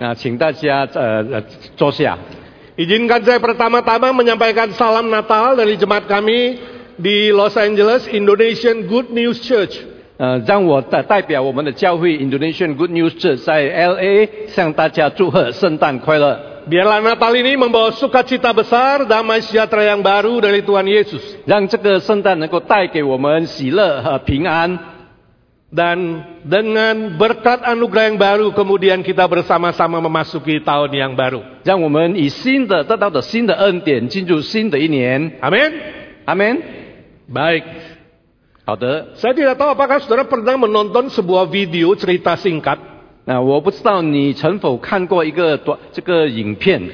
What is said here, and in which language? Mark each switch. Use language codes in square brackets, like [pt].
[zh] Nah, 请大家坐下。 [id] Izinkan saya pertama-tama menyampaikan salam Natal dari jemaat kami di Los Angeles, Indonesian Good News Church. [zh] 让我代表我们的教会 Indonesian Good News Church 在 LA 向大家祝贺圣诞快乐。 [id] Biarlah Natal ini membawa sukacita besar, damai sejahtera yang baru dari Tuhan Yesus. [zh] 让这个圣诞能够带给我们喜乐和平安。 [id] Dan dengan berkat anugerah yang baru, kemudian kita bersama-sama memasuki tahun yang baru. [zh] 让我们以新的得到的新的恩典进入新的一年。 [id] Amin. Amin. Baik. [zh] 好的。 [id] Saya tidak tahu apakah saudara pernah menonton sebuah video cerita singkat. [zh] 那我不知道你曾否看过一个短这个影片。